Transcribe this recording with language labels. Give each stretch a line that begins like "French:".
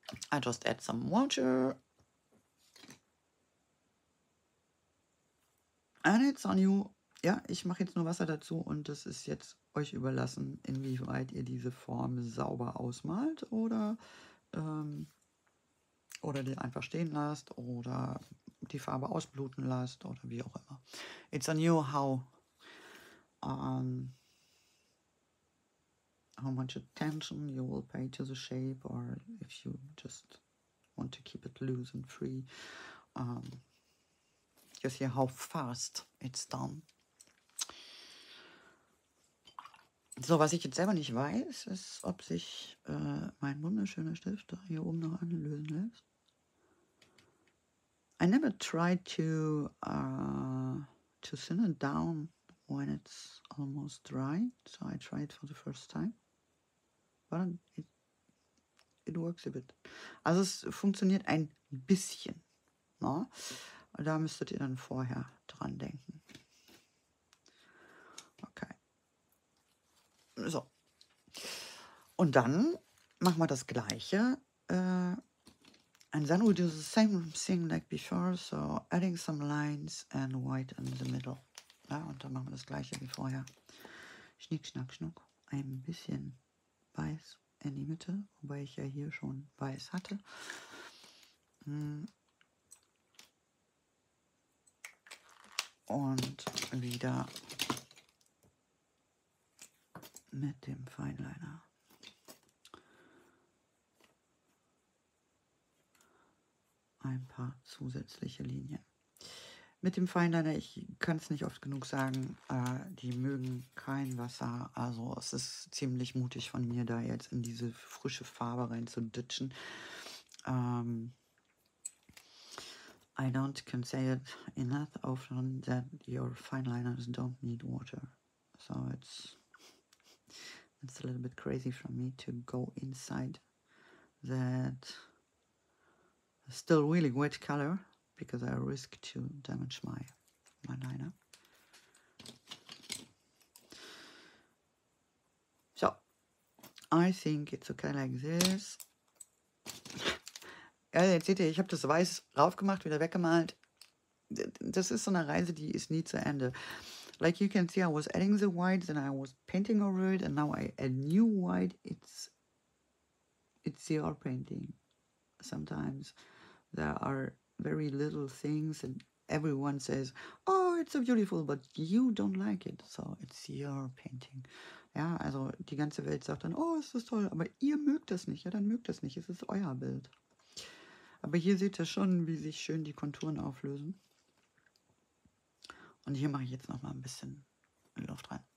English: I just add some water and it's on you.
German: Ja, ich mache jetzt nur Wasser dazu und das ist jetzt euch überlassen, inwieweit ihr diese Form sauber ausmalt oder die einfach stehen lasst oder die Farbe ausbluten lasst oder wie auch immer.
English: It's on you how much attention you will pay to the shape or if you just want to keep it loose and free. You see how fast it's done.
German: So, was ich jetzt selber nicht weiß, ist, ob sich mein wunderschöner Stift da hier oben noch anlösen lässt.
English: I never tried to thin it down when it's almost dry, so I tried for the first time. It works a bit.
German: Also es funktioniert ein bisschen. Ne? Da müsstet ihr dann vorher dran denken. Okay. So. Und dann machen wir das Gleiche.
English: And then we'll do the same thing like before. So adding some lines and white in the middle.
German: Ja, und dann machen wir das Gleiche wie vorher. Schnick, schnack, schnuck. Ein bisschen weiß in die Mitte, wobei ich ja hier schon weiß hatte. Und wieder mit dem Fineliner. Ein paar zusätzliche Linien. Mit dem Fineliner, ich kann es nicht oft genug sagen, die mögen kein Wasser. Also es ist ziemlich mutig von mir, da jetzt in diese frische Farbe rein zu ditchen.
English: I don't can say it enough often that your fineliners don't need water. So it's a little bit crazy for me to go inside that still really wet color. Because I risk to damage my liner. So, I think it's okay like this.
German: Ja, jetzt seht ihr, ich habe das Weiß raufgemacht, wieder weggemalt. Das ist so eine Reise, die ist nie zu Ende.
English: Like you can see, I was adding the white, then I was painting over it, and now I add new white. It's your painting. Sometimes there are very little things and everyone says, oh, it's so beautiful, but you don't like it, so it's your painting.
German: Ja, also die ganze Welt sagt dann, oh, es ist toll, aber ihr mögt das nicht, ja, dann mögt das nicht, es ist euer Bild. Aber hier seht ihr schon, wie sich schön die Konturen auflösen. Und hier mache ich jetzt nochmal ein bisschen Luft rein.